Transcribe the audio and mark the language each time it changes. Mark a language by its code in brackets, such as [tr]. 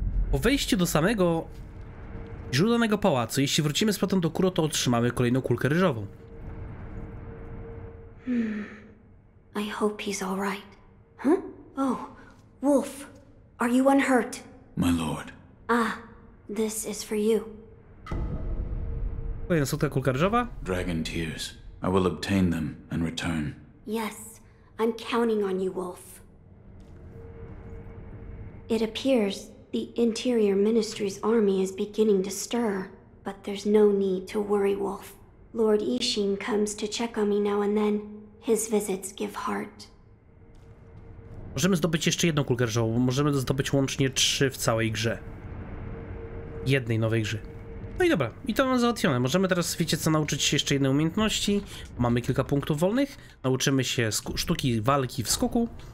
[pl] Po wejściu do samego źródlanego pałacu, jeśli wrócimy z powrotem do Kuro, to otrzymamy kolejną kulkę ryżową. [en] I hope he's all right. Huh? Oh, Wolf, are you unhurt? My lord. Ah, this is for you. [pl] Kolejna słodka kulka ryżowa. [en] Dragon tears. I will obtain them and return. Yes, I'm counting on you, Wolf. It appears the Interior Ministry's army is beginning to stir, but there's no need to worry, Wolf. Lord Ishin comes to check on me now and then. His visits give heart. [pl] Możemy zdobyć jeszcze jedną kulkę ryżową. Możemy zdobyć łącznie 3 w całej grze. Jednej nowej grze. No i dobra, i to mam załatwione. Możemy teraz, wiecie co, nauczyć się jeszcze jednej umiejętności. Mamy kilka punktów wolnych. Nauczymy się sztuki walki w skoku.